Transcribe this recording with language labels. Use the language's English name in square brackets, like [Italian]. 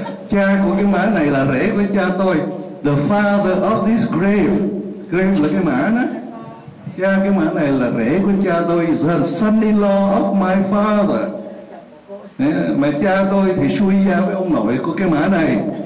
[Vietnamese] Cha của cái mã này là rể của cha tôi. [English] The father of this grave. [Vietnamese] Grave là cái mã đó. Cha cái mã này là rể của cha tôi. [English] The son-in-law of my father. [Vietnamese] Mà cha tôi thì xui ra với ông nội của cái mã này.